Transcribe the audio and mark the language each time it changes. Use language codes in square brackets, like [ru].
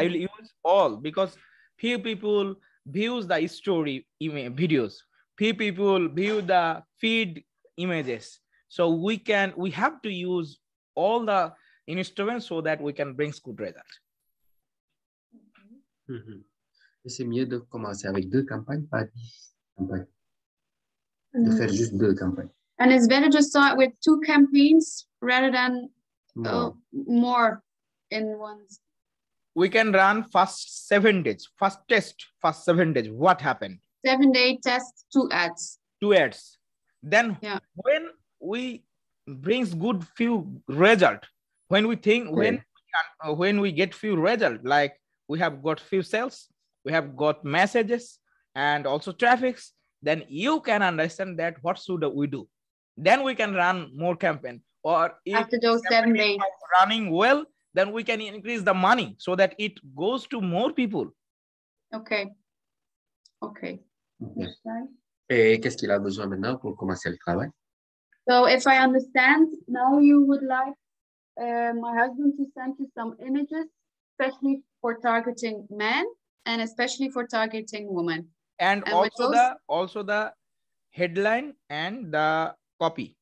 [en] I will use all because few people views the story videos, few people view the feed images. So we can, we have to use all the instruments so that we can bring good results. Mm-hmm. [fr] C'est mieux de commencer avec deux campagnes, pas 10 campagnes. De faire juste deux campagnes. [en] And it's better to start with two campaigns rather than more in ones. We can run first seven days. What happened? 7 day test, two ads. Then when we brings good few result, when we think, when we get few result, like we have got few sales, we have got messages and also traffics, then you can understand that what should we do. Then we can run more campaign. Or if after those 7 days running well, then we can increase the money so that it goes to more people. Okay. [fr] Et qu'est-ce qu'il a besoin maintenant pour commencer le travail? [en] So if I understand, now you would like my husband to send you some images, especially for targeting men and especially for targeting women. And also those... the headline and the copy.